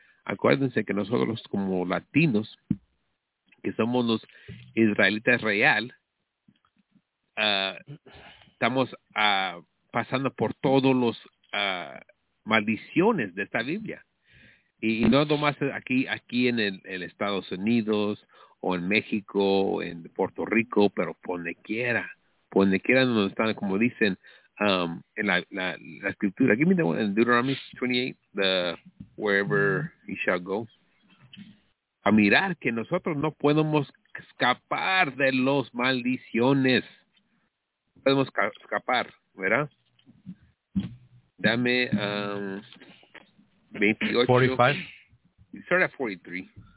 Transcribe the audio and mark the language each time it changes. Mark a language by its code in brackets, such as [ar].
[es] Acuérdense que nosotros como latinos, que somos los israelitas real, estamos pasando por todos los maldiciones de esta Biblia. Y no nomás aquí en el Estados Unidos, o en México, o en Puerto Rico, pero donde quiera donde están, como dicen, en la escritura. [en] Give me the one in Deuteronomy 28, the wherever he shall go. [es] A mirar que nosotros no podemos escapar de las maldiciones. Podemos escapar, ¿verdad? Dame 28. 45. [en] Start at 43.